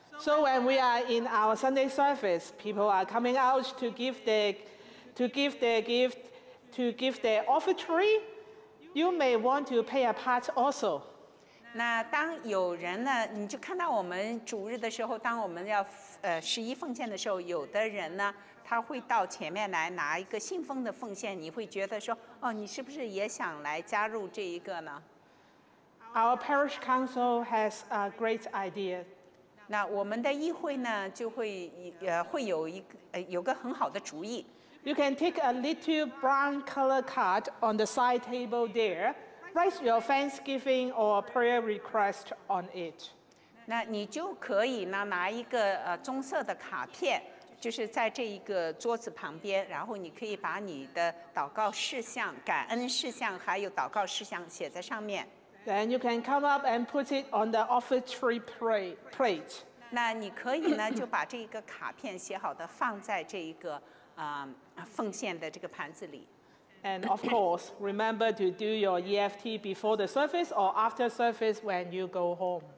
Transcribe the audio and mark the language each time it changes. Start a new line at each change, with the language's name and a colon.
English: So when we are in our Sunday service, people are coming out to give their offertory. You may want to pay a part also.
Chinese: 那当有人呢，你就看到我们主日的时候，当我们要十一奉献的时候，有的人呢。他会到前面来拿一个信封的奉献，你会觉得说，哦，你是不是也想来加入这一个呢
English: ？Our parish council has a great idea.
Chinese: 那我们的议会呢，就会会有一个有个很好的主意。
English: You can take a little brown color card on the side table there, write your thanksgiving or prayer request on it.
Chinese: 那你就可以呢拿一个棕色的卡片。就是在这一个桌子旁边，然后你可以把你的祷告事项、感恩事项还有祷告事项写在上面。
English: Then you can come up and put it on the offertory plate.
Chinese: 那你可以呢，就把这一个卡片写好的放在这一个奉献的这个盘子里。
English: And of course, remember to do your EFT before the service or after service when you go home.